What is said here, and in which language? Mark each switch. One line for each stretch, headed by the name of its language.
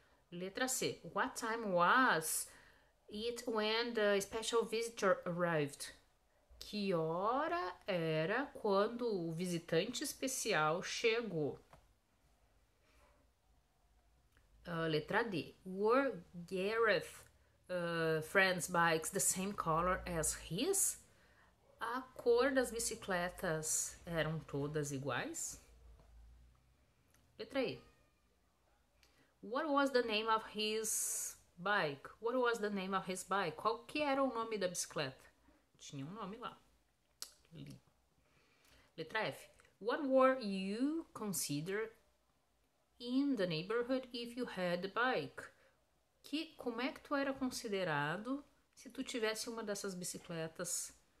Portuguese: Letra C.
English: What time was it when the special visitor arrived?
Portuguese: Que hora era quando o visitante especial chegou? Letra D.
English: Were Gareth friends' bikes the same color as his?
Portuguese: A cor das bicicletas eram todas iguais? Letra E.
English: What was the name of his bike? What was the name of his bike?
Portuguese: Qual que era o nome da bicicleta? Tinha um nome lá. Li. Letra F.
English: What were you consider in the neighborhood if you had a bike?
Portuguese: Que como é que tu era considerado se tu tivesse uma dessas bicicletas?